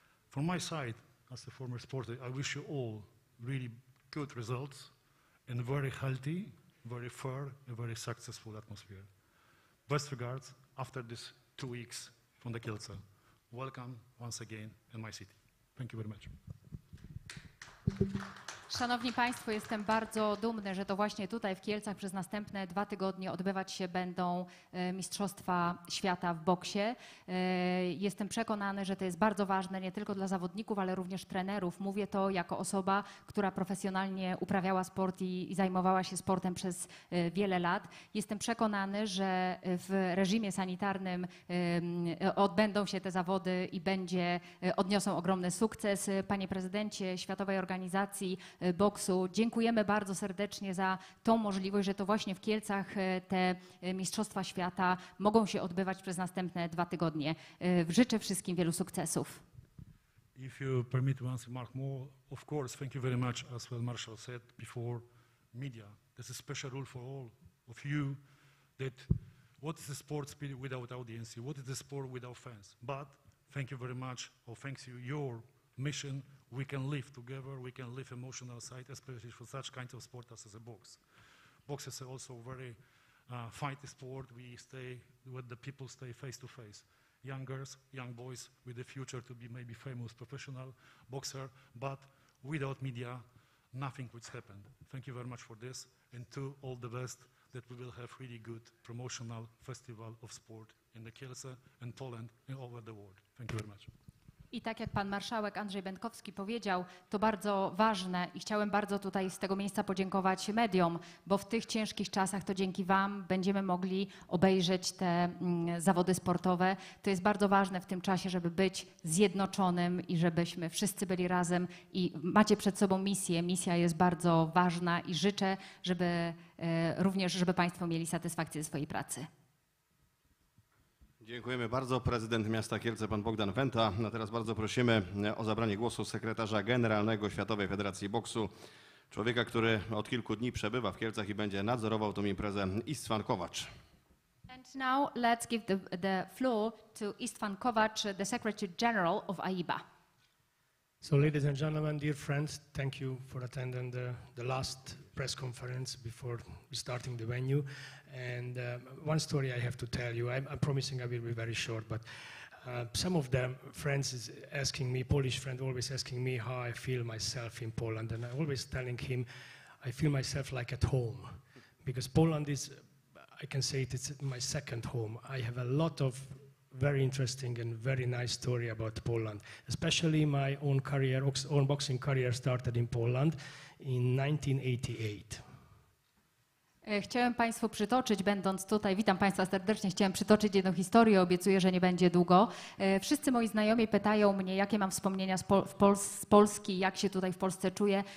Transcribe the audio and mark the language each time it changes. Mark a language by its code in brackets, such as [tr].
[en] From my side, as a former sporter, I wish you all really good results and very healthy, very fair, and very successful atmosphere. Best regards after these 2 weeks from the Kielce. Welcome once again in my city. Thank you very much. [pl] Szanowni Państwo, jestem bardzo dumny, że to właśnie tutaj w Kielcach przez następne 2 tygodnie odbywać się będą Mistrzostwa Świata w boksie. Jestem przekonany, że to jest bardzo ważne nie tylko dla zawodników, ale również trenerów. Mówię to jako osoba, która profesjonalnie uprawiała sport i zajmowała się sportem przez wiele lat. Jestem przekonany, że w reżimie sanitarnym odbędą się te zawody i odniosą ogromny sukces. Panie Prezydencie Światowej Organizacji Boksu, dziękujemy bardzo serdecznie za tą możliwość, że to właśnie w Kielcach te Mistrzostwa Świata mogą się odbywać przez następne 2 tygodnie. Życzę wszystkim wielu sukcesów. [en] If you permit once Mark more, of course, thank you very much, as well Marshall said before, media. This is a special rule for all of you, that what is the sport spirit without audience? What is the sport without fans? But thank you very much, or thanks you, your mission. We can live together, we can live emotional side, especially for such kinds of sport as a box. Box is also very fighty sport. We stay with the people, stay face to face. Young girls, young boys with the future to be maybe famous professional boxer, but without media, nothing would happen. Thank you very much for this, and to all the best that we will have really good promotional festival of sport in the Kielce and Poland and over the world. Thank you very much. [pl] I tak jak pan marszałek Andrzej Bętkowski powiedział, to bardzo ważne i chciałem bardzo tutaj z tego miejsca podziękować mediom, bo w tych ciężkich czasach to dzięki wam będziemy mogli obejrzeć te zawody sportowe. To jest bardzo ważne w tym czasie, żeby być zjednoczonym i żebyśmy wszyscy byli razem i macie przed sobą misję. Misja jest bardzo ważna i życzę, żeby również, żeby państwo mieli satysfakcję ze swojej pracy. Dziękujemy bardzo. Prezydent miasta Kielce, pan Bogdan Wenta. A teraz bardzo prosimy o zabranie głosu sekretarza generalnego Światowej Federacji Boksu, człowieka, który od kilku dni przebywa w Kielcach i będzie nadzorował tą imprezę, István Kovács. [en] And now let's give the floor to István Kovács, the Secretary General of AIBA. So ladies and gentlemen, dear friends, thank you for attending the last press conference before starting the venue. And one story I have to tell you. I'm promising I will be very short, but some of them friends is asking me, Polish friend always asking me how I feel myself in Poland. And I'm always telling him, I feel myself like at home, because Poland is, I can say it, it's my second home. I have a lot of very interesting and very nice story about Poland, especially my own career, own boxing career started in Poland in 1988. [pl] Chciałem państwu przytoczyć, będąc tutaj, witam państwa serdecznie, chciałem przytoczyć jedną historię, obiecuję, że nie będzie długo. Wszyscy moi znajomi pytają mnie, jakie mam wspomnienia z Polski, jak się tutaj w Polsce czuję.